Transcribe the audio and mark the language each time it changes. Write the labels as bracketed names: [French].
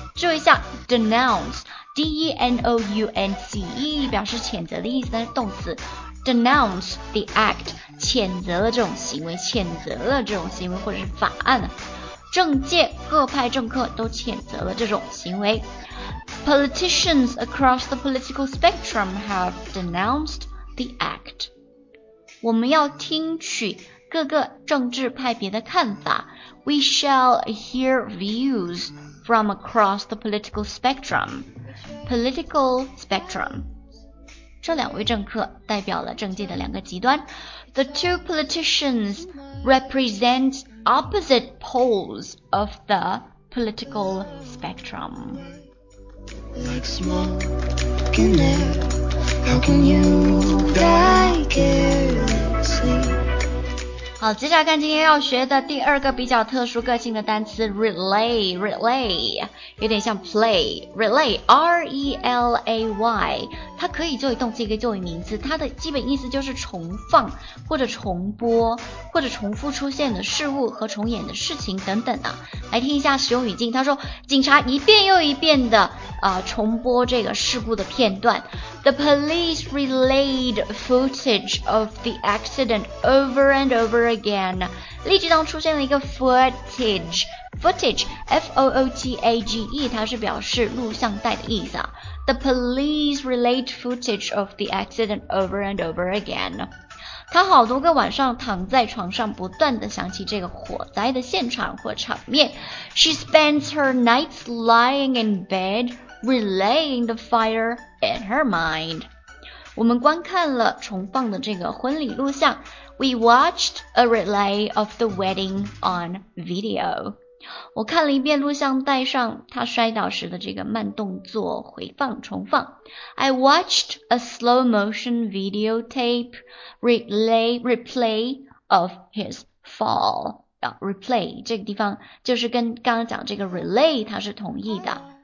[Chinese] 注意一下 denounce， D-E-N-O-U-N-C-E 表示谴责的意思，但是动词。 [English] Denounce the act， [Chinese] 谴责了这种行为，谴责了这种行为或者是法案。政界各派政客都谴责了这种行为。 [English] Politicians across the political spectrum have denounced the act。 [Chinese] 我们要听取各个政治派别的看法。 [English] We shall hear views from across the political spectrum。 Political spectrum， [Chinese] 这两位政客代表了政界的两个极端。 [English] The two politicians represent opposite poles of the political spectrum. Like smoke in air, how can you die carelessly? [Chinese] 好，接下来看今天要学的第二个比较特殊个性的单词 relay。 relay 有点像 play。 relay R-E-L-A-Y，它可以作为动词，也可以作为名词，它的基本意思就是重放或者重播或者重复出现的事物和重演的事情等等的。来听一下使用语境，他说警察一遍又一遍的重播这个事故的片段。 [English] The police relayed footage of the accident over and over again。 [Chinese] 例句当出现了一个 footage F-O-O-T-A-G-E， 它是表示录像带的意思啊。 [English] The police relayed footage of the accident over and over again。 [Chinese] 他好多个晚上躺在床上不断地想起这个火灾的现场或场面。 [English] She spends her nights lying in bed relaying the fire in her mind。 [Chinese] 我们观看了重放的这个婚礼录像。 [English] We watched a relay of the wedding on video。 [Chinese] 我看了一遍录像带上他摔倒时的这个慢动作回放重放。 [English] I watched a slow motion videotape replay of his fall。 [Chinese] replay 这个地方就是跟刚刚讲这个 relay 它是同义的。